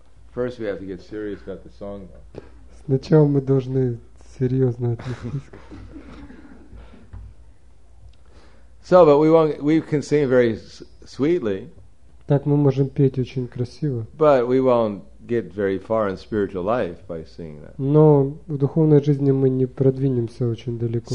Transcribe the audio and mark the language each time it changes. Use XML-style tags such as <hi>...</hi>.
<en>First, we have to get serious about the song.</en> <ru>Сначала мы должны серьезно относиться.</ru> <en>So, but we can sing very sweetly.</en> <ru>Так мы можем петь очень красиво.</ru> <en>But we won't get very far in spiritual life by singing that.</en> <ru>Но в духовной жизни мы не продвинемся очень далеко.</ru>